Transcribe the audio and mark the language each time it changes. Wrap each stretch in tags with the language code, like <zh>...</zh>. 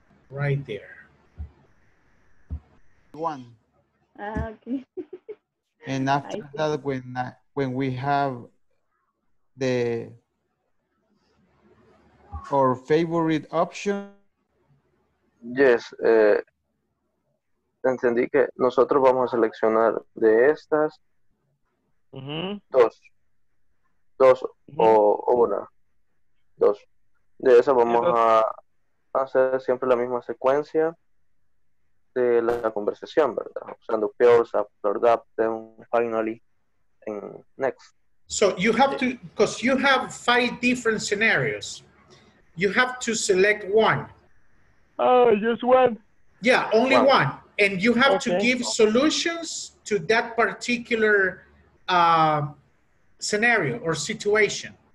<en>Right there. One. Okay. And after that, when we have our favorite option. Yes.</en> <es>Entendí que nosotros vamos a seleccionar de estas dos. Dos o una. Dos. De esas vamos a hacer siempre la misma secuencia de la conversación, ¿verdad?</es> <en>Usando peers, after that, then finally, and next. So you have to, because you have 5 different scenarios. You have to select one. Oh, just one? Yeah, only one. And you have to give solutions to that particular scenario or situation.</en>